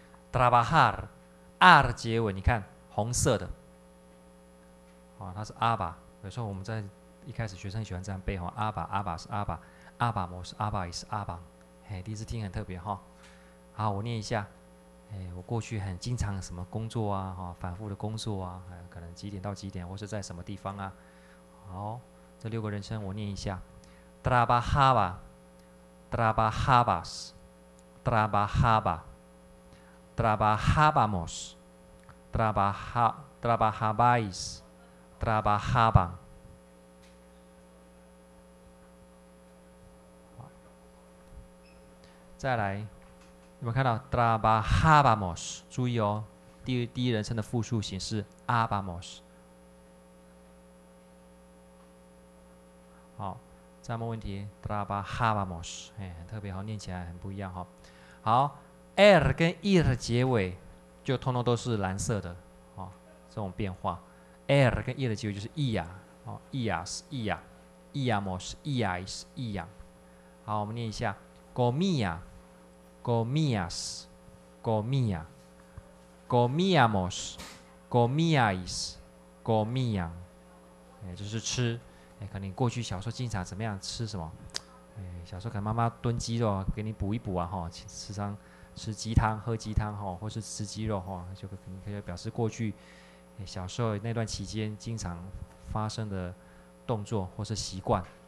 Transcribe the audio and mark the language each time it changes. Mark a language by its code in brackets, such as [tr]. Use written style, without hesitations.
[zh] trabajar R 结尾，你看红色的、哦、它是 aba， 有时候我们在一开始学生喜欢这样背 aba aba 是 aba aba 模式 aba 也是 aba、哎、第一次听很特别哈，好，我念一下，哎，我过去很经常什么工作啊，哦、反复的工作啊、可能几点到几点，或是在什么地方啊。 [es] 好，这六个人称我念一下 ：trabajaba, trabajabas, trabajaba, trabajábamos, trabajabais, trabajaban。 [zh] 再来。你们看到 trabajábamos， 注意哦，第一人称的复数形式 abamos，好，再问问题 ，trabajábamos， 哎，很特别，好，念起来很不一样哈。好 ，er 跟 ir 结尾就通通都是蓝色的，好，这种变化 ，er 跟 ir 的结尾就是 ia， 好 ，ia 是 ia，iamos， ia 是 ia。 [es] 好，我们念一下 ，comía， comías， comía， comíamos， comíais， comían。 [zh] 哎，就是吃。哎，可能过去小时候经常怎么样吃什么？哎，小时候可能妈妈炖鸡肉给你补一补啊，哈，吃上吃鸡汤、喝鸡汤哈，或是吃鸡肉哈，就可能可以表示过去、哎、小时候那段期间经常发生的动作或是习惯。